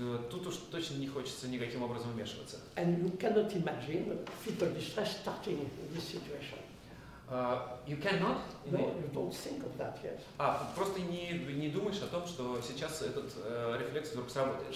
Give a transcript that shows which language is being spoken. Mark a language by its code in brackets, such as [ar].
[ru] Тут уж точно не хочется никаким образом вмешиваться. [en] And you cannot imagine fetal distress starting in this situation. You cannot? No, you don't think of that yet. [ru] Просто не думаешь о том, что сейчас этот рефлекс вдруг сработает.